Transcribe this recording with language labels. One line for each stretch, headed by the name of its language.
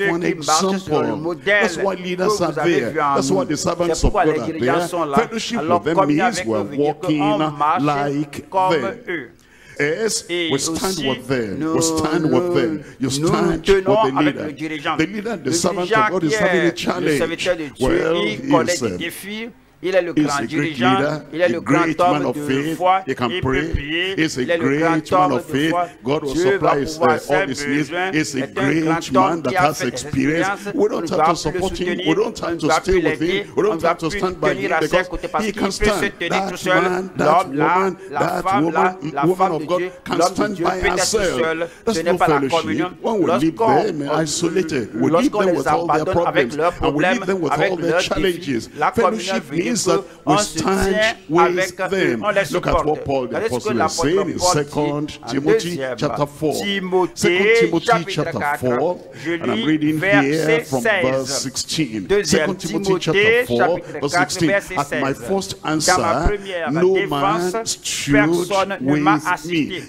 English: An example. That's why leaders are there. That's why the servants of God are there. Fellowship with them means we're walking like them. Yes, we stand with them. We stand with them. You stand with the leader. The leader, the servant of God, is having a challenge. Well, he is
French: Il est le grand dirigeant, il est le grand homme de foi, il peut prier, il est le grand homme de foi, Dieu va pouvoir ses besoins, il est un grand homme qui a fait expérience, on ne doit plus le soutenir, on ne doit plus l'aider, on ne doit plus tenir à ses côtés parce qu'il peut se tenir tout seul, l'homme là, la femme là, la femme de Dieu, l'homme de Dieu peut être tout seul, ce n'est pas la communion, lorsqu'on les abandonne avec leurs problèmes, avec leurs défis, la communion
English: means that we stand with them. Look at what Paul the Apostle is saying in 2 Timothy chapter 4. 2 Timothy chapter 4, and I'm reading here from verse 16. 2 Timothy chapter 4, verse 16. At my first answer, no man stood with me.